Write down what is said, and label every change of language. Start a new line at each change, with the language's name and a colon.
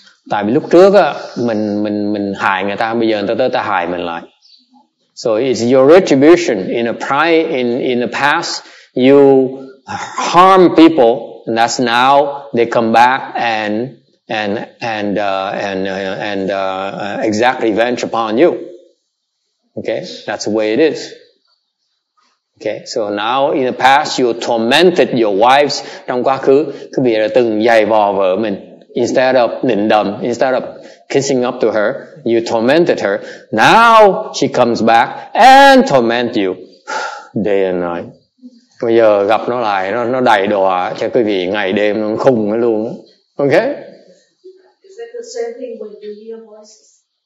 Vietnamese: Tại vì lúc trước á, mình hại người ta, bây giờ người ta tới ta hại mình lại.
English: So it's your retribution. In the past, you harm people, and that's now they come back and exact revenge upon you. Okay, that's the way it is. Okay, so now in the past you tormented your wives.
Vietnamese: Trong quá khứ, quý vị đã từng dày vò vợ mình.
English: Instead of
Vietnamese: nịnh đầm,
English: instead of kissing up to her, you tormented her. Now she comes back and torment you day and night.
Vietnamese: Bây giờ gặp nó lại, nó đầy đọa cho quý vị ngày đêm, nó khùng nó luôn.
English: Okay? Is that the same thing when you hear voices?